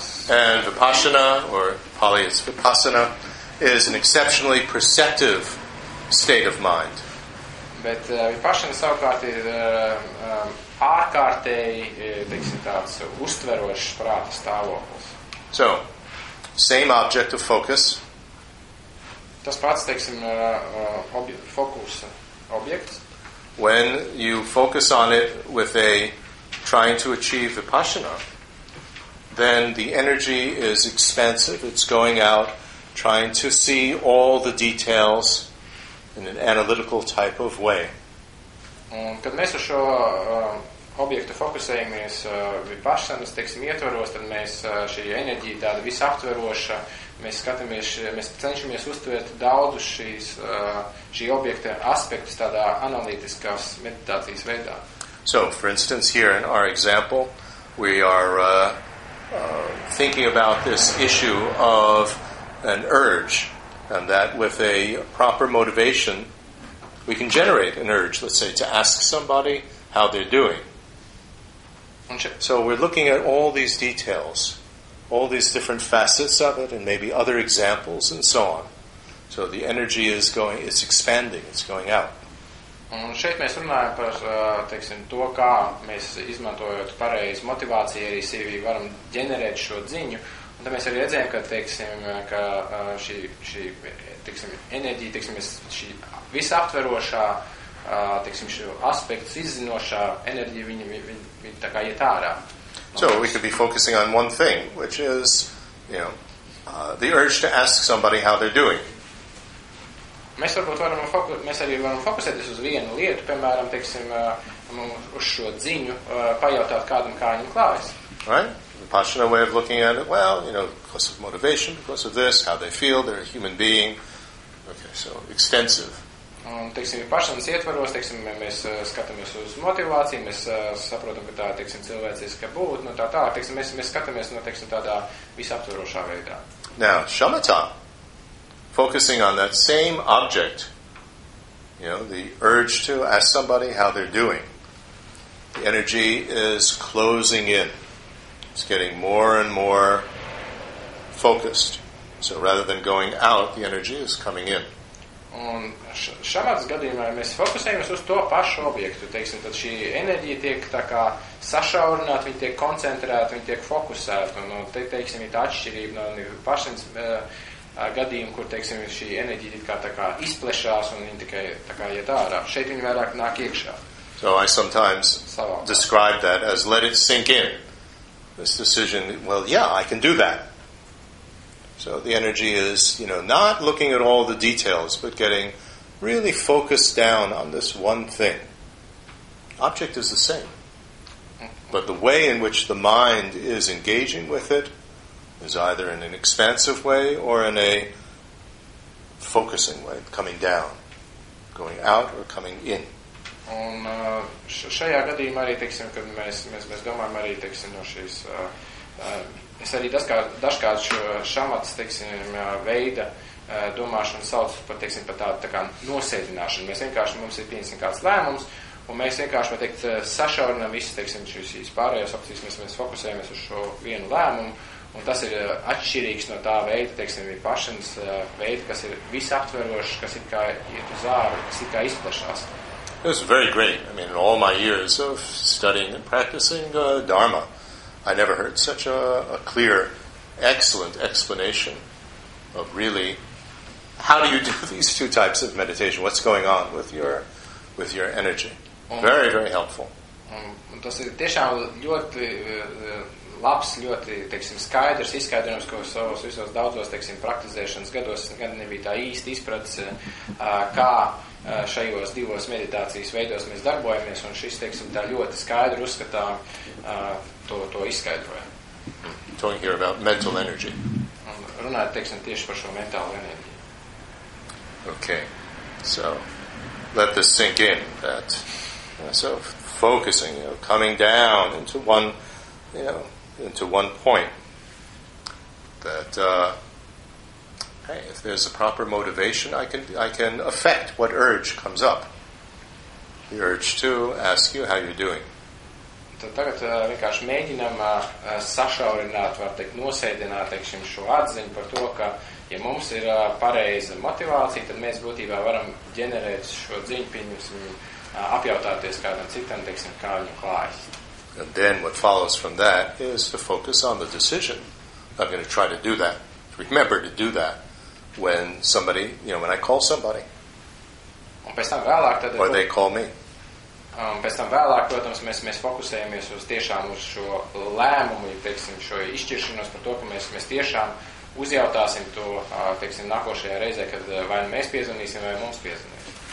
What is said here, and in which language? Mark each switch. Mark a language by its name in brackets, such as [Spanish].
[English] And vipassana, or Pali is vipassana, is an exceptionally perceptive state of mind. [Latvian] Bet vipassana savukārt ir ārkārtēji, teiksim, tāds uztverošs prāta stāvoklis. [English] So, same object of focus. [Latvian] Tas pats, teiksim, fokusa objekts. [English] When you focus on it with a trying to achieve vipassana, then the energy is expansive. It's going out, trying to see all the details in an analytical type of way. [Latvian] Kad mēs uz šo objektu fokusējamies vipassanas, teiksim, ietvaros, tad mēs šī enerģija tāda visaptveroša, mēs skatāmies, mēs cenšamies uztvert daudzus šīs šī objekta aspektus tādā analītiskās meditācijas veidā. [English] So, for instance, here in our example, we are thinking about this issue of an urge, and that with a proper motivation, we can generate an urge, let's say, to ask somebody how they're doing. So we're looking at all these details, all these different facets of it, and maybe other examples and so on. So the energy is going, it's expanding, it's going out. [Latvian] Un šeit mēs runājam par, teiksim, to, kā mēs izmantojot pareizu motivāciju arī sevi varam ģenerēt šo dziņu. Un tad mēs arī redzējam, ka, teiksim, ka šī teiksim, enerģija, teiksim, šī visaptverošā, teiksim, šo aspektu izzinošā enerģija, viņa tā kā iet ārā. [English] So we could be focusing on one thing, which is, you know, the urge to ask somebody how they're doing. [Latvian] Mēs varbūt varam mēs arī varam fokusēties uz vienu lietu, piemēram, teiksim, uz šo dziņu, pajautāt kādam, kā viņam klājas. [English] Right? The Vipassana way of looking at it, well, you know, because of motivation, because of this, how they feel, they're a human being. Okay, so extensive. [Latvian] Un, teiksim, Vipassanas ietvaros, teiksim, mēs skatāmies uz motivāciju, mēs saprotam, ka tā, teiksim, cilvēciska būt, no tā tā, teiksim, mēs skatāmies, no, teiksim, tādā visaptverošā veidā. [English] Now, shamatha. Focusing on that same object, you know, the urge to ask somebody how they're doing. The energy is closing in. It's getting more and more focused. So rather than going out, the energy is coming in. [Latvian] Un šamatas gadījumā mēs fokusējamies uz to pašu objektu. Teiksim, tad šī enerģija tiek tā kā sašaurināta, viņa tiek koncentrēta, viņa tiek fokusēta. Un, teiksim, ir tā atšķirība no pašas gadījumu, kur, teiksim, šī enerģija tā kā izplešās un viņa tikai tā kā iet ārā. Šeit viņa vairāk nāk iekšā. [English] So I sometimes describe that as let it sink in. This decision, well, yeah, I can do that. So the energy is, you know, not looking at all the details, but getting really focused down on this one thing. Object is the same. But the way in which the mind is engaging with it is either in an expansive way or in a focusing way, coming down, going out or coming in. [Latvian] Un šajā gadījumā arī, teiksim, kad mēs domājam arī, teiksim, no šīs, es arī dažkārt šo šamatas, teiksim, veida domāšanu sauc par, teiksim, par tādu tā kā nosēdināšanu. Mēs vienkārši, mums ir pieņemts kāds lēmums, un mēs vienkārši, var teikt, sašaurinām visu, teiksim, šīs pārējās opcijas, mēs fokusējamies uz šo vienu lēmumu, un tas ir atšķirīgs no tā veida, teiksim, ir pašanas veida, kas ir visaptverošs, kas ir kā iet uz āru, kas ir kā izplešās. [English] It was very great. I mean, in all my years of studying and practicing Dharma, I never heard such a clear, excellent explanation of really how do you do these two types of meditation? What's going on with your energy? Very, very helpful. [Latvian] Un tas ir tiešām ļoti labs, ļoti, teiksim, skaidrs izskaidrojums, ko savos visos daudzos, teiksim, praktizēšanas gados gan nebija tā īsti izpratis, kā šajos divos meditācijas veidos mēs darbojamies, un šis, teiksim, tā ļoti skaidri uzskatām to izskaidrojam. [English] Talking here about mental energy. [Latvian] Runāt, teiksim, tieši par šo mentālu enerģiju. [English] Okay. So, let this sink in, that, so, focusing, you know, coming down into one, you know, into one point that hey, if there's a proper motivation, I can affect what urge comes up, the urge to ask you how you're doing. [Latvian] Tagad vienkārši mēģinam sašaurināt, var teikt, nosēdināt, teiksim, šo atziņu par to, ka ja mums ir pareiza motivācija, tad mēs būtībā varam ģenerēt šo dziņu, pieņemsim, apjautāties kādam citam, teiksim, kā viņam klājas. [English] And then what follows from that is to focus on the decision. I'm going to try to do that. Remember to do that when somebody, you know, when I call somebody. [Latvian] Un pēc tam vēlāk, tad [English] or they call me. [Latvian] Pēc tam vēlāk, protams, mēs fokusējamies uz tiešām uz šo lēmumu, ja, teiksim, šo izšķiršanos par to, ka mēs tiešām uzjautāsim to, teiksim, nākošajā reizē, kad vai mēs piezvanīsim, vai mums piezvanīs.